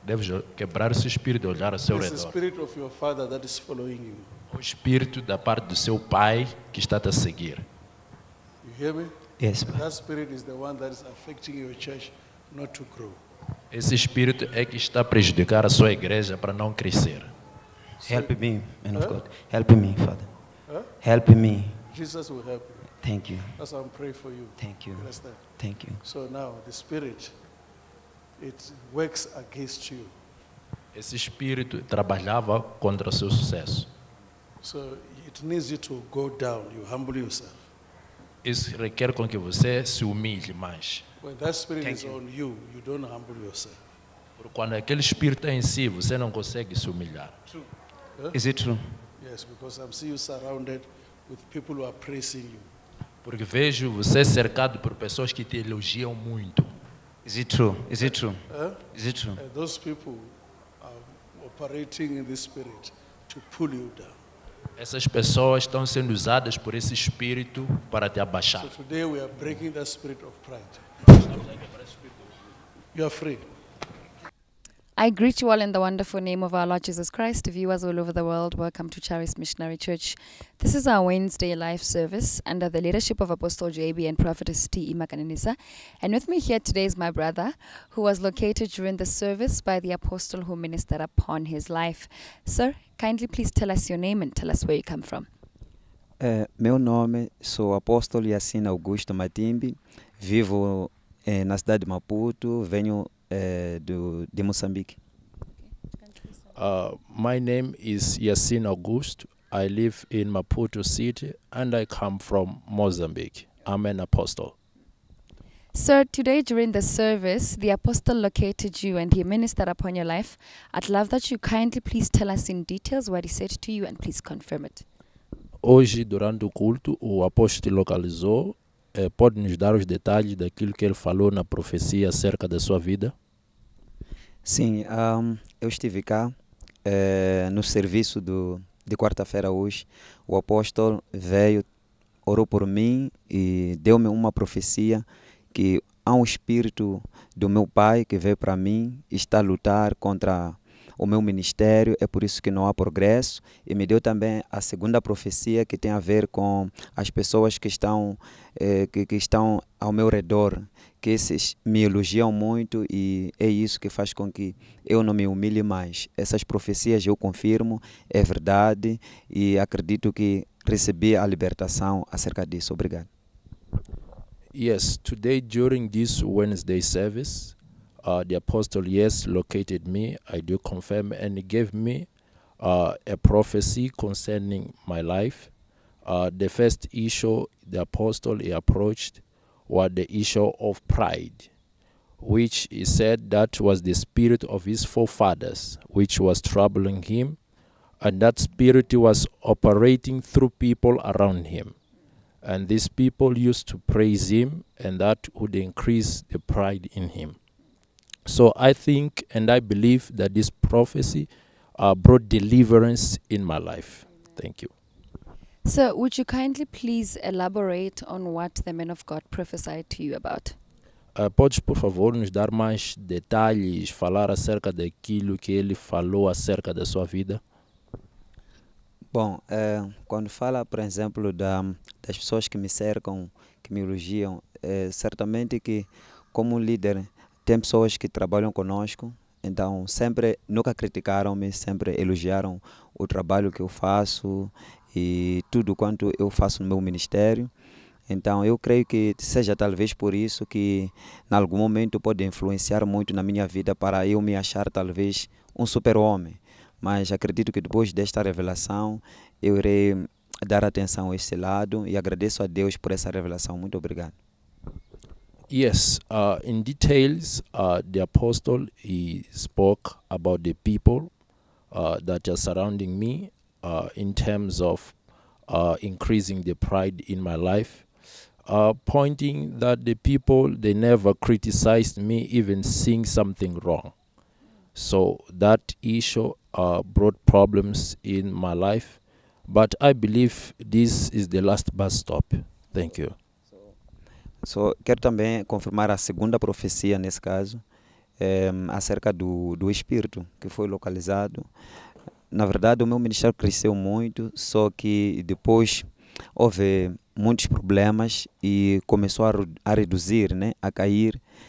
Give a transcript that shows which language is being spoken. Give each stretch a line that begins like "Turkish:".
Portuguese: Deves quebrar esse espírito e olhar ao seu redor.
English: The spirit of your father that is following you.
Portuguese: O espírito da parte do seu pai que está a seguir.
English: You hear me? Yes. That spirit is the one that is affecting your church not to grow.
Portuguese: Esse espírito é que está a prejudicar a sua igreja para não crescer.
English: Help me, man of God. Help me, Father. Help me. Jesus will help you. Thank you. That's why I'm praying for you. Thank you. Understand? Thank you. So now the spirit, it works against you.
Portuguese: Esse espírito trabalhava contra seu sucesso.
English: So it needs you to go down. You humble yourself.
Portuguese: Isso requer com que você se humilhe mais.
English: When that spirit is on you, you don't humble yourself.
Portuguese: Porque quando aquele espírito é em si, você não consegue se humilhar.
English: True. Is it true? Yes, because I'm seeing you surrounded with people who are praising you.
Portuguese: Porque vejo você cercado por pessoas que te elogiam muito.
English: Is it true? Is it true? Is it true? Those people are operating in the spirit to pull you down.
Portuguese: Essas pessoas estão sendo usadas por esse espírito para te abaixar.
English: So today we are breaking that spirit of pride. You are free. I greet you all in the wonderful name of our Lord Jesus Christ. Viewers all over the world, welcome to Charis Missionary Church. This is our Wednesday live service under the leadership of Apostle JB and Prophetess T. E. Makananisa. And with me here today is my brother, who was located during the service by the apostle who ministered upon his life. Sir, kindly please tell us your name and tell us where you come from.
Portuguese: Meu nome sou Apostle Yassine Augusto Matimbi. Vivo na cidade de Maputo. Venho de Moçambique.
English: My name is Yassine Augusto. I live in Maputo City and I come from Mozambique. I'm an apostle. Sir, today during the service, the apostle located you and he ministered upon your life. I'd love that you kindly please tell us in details what he said to you and please confirm it.
Portuguese: Hoje, durante o culto, o apóstolo te localizou. Pode nos dar os detalhes daquilo que ele falou na profecia acerca da sua vida? Sim, eu estive cá no serviço de quarta-feira hoje. O apóstolo veio, orou por mim e deu-me uma profecia que há um espírito do meu pai que veio para mim e está a lutar contra o meu ministério, é por isso que não há progresso. E me deu também a segunda profecia que tem a ver com as pessoas que estão que estão ao meu redor, que esses me elogiam muito e é isso que faz com que eu não me humilhe mais. Essas profecias eu confirmo, é verdade e acredito que recebi a libertação acerca disso. Obrigado.
English: Yes, today during this Wednesday service, the apostle, yes, located me, I do confirm, and he gave me a prophecy concerning my life. The first issue the apostle he approached was the issue of pride, which he said that was the spirit of his forefathers, which was troubling him, and that spirit was operating through people around him. And these people used to praise him, and that would increase the pride in him. So I think and I believe that this prophecy brought deliverance in my life. Amen. Thank you. So would you kindly please elaborate on what the man of God prophesied to you about?
Portuguese: Podes, por favor, nos dar mais detalhes, falar acerca daquilo que ele falou acerca da sua vida? Bom, quando fala, por exemplo, das pessoas que me cercam, que me elogiam, certamente que, como líder, tem pessoas que trabalham conosco, então sempre, nunca criticaram-me, sempre elogiaram o trabalho que eu faço e tudo quanto eu faço no meu ministério. Então, eu creio que seja talvez por isso que, em algum momento, pode influenciar muito na minha vida para eu me achar, talvez, um super-homem. Mas acredito que depois desta revelação, eu irei dar atenção a esse lado e agradeço a Deus por essa revelação. Muito obrigado.
English: Yes, in details, the apostle, he spoke about the people that are surrounding me in terms of increasing the pride in my life. Pointing that the people, they never criticized me even seeing something wrong. So that issue brought problems in my life. But I believe this is the last bus stop. Thank you.
Portuguese: So, quero também confirmar a segunda profecia nesse caso, acerca do espírito que foi localizado. Na verdade, o meu ministério cresceu muito, só que depois houve muitos problemas e começou a reduzir, né, a cair.